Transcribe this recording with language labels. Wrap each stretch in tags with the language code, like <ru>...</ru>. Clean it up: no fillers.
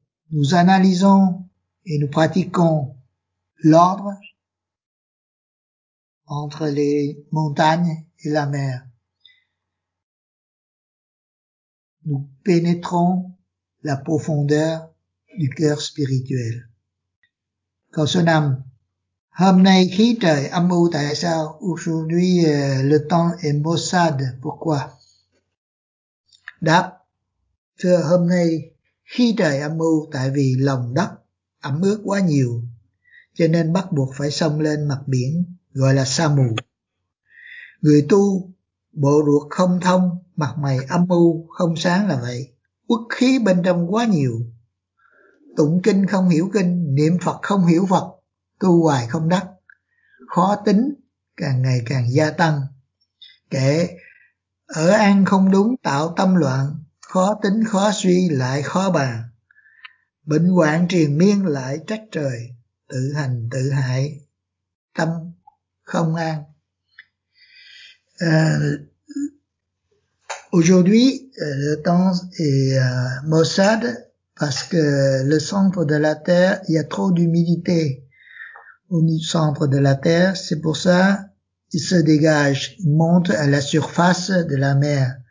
<fr>Nous analysons et nous pratiquons l'ordre entre les montagnes et la mer. Nous pénétrons la profondeur du cœur spirituel. Quand son âme,</fr> <vi>hôm nay khí trời âm u, tại sao?</vi> <fr>Aujourd'hui, le temps est maussade, pourquoi?</fr> <vi>Đáp, thưa, hôm nay khí trời âm u, tại vì lòng đất ẩm ướt quá nhiều, cho nên bắt buộc phải xông lên mặt biển, gọi là sa mù. Người tu, bộ ruột không thông, mặt mày âm u, không sáng là vậy. Quốc khí bên trong quá nhiều, tụng kinh không hiểu kinh, niệm Phật không hiểu Phật, tu hoài không đắc, khó tính càng ngày càng gia tăng. Kể, ở ăn không đúng tạo tâm loạn, khó tính khó suy lại khó bàn, bệnh hoạn triền miên lại trách trời, tự hành tự hại, tâm không an.</vi> <fr>Aujourd'hui, le temps est maussade parce que le centre de la Terre, il y a trop d'humidité au centre de la Terre. C'est pour ça qu'il se dégage, il monte à la surface de la mer.</fr>